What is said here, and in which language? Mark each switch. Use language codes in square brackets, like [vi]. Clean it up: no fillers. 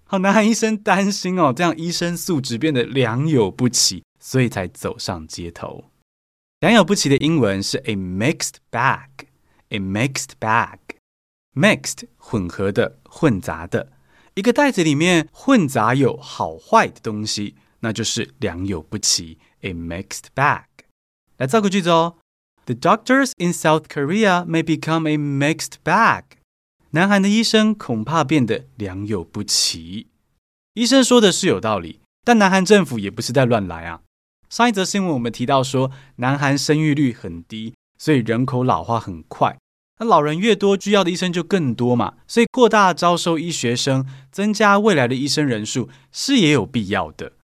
[zh] 南韩医生担心哦，这样医生素质变得良莠不齐，所以才走上街头。良莠不齐的英文是 a mixed bag， a mixed bag， mixed 混合的，混杂的，一个袋子里面混杂有好坏的东西，那就是良莠不齐， a mixed bag。来造个句子哦， [en] The doctors in South Korea may become a mixed bag， [zh] 南韩的医生恐怕变得良莠不齐。医生说的是有道理，但南韩政府也不是在乱来啊。上一则新闻我们提到说，南韩生育率很低，所以人口老化很快，那老人越多需要的医生就更多嘛，所以扩大招收医学生，增加未来的医生人数是也有必要的。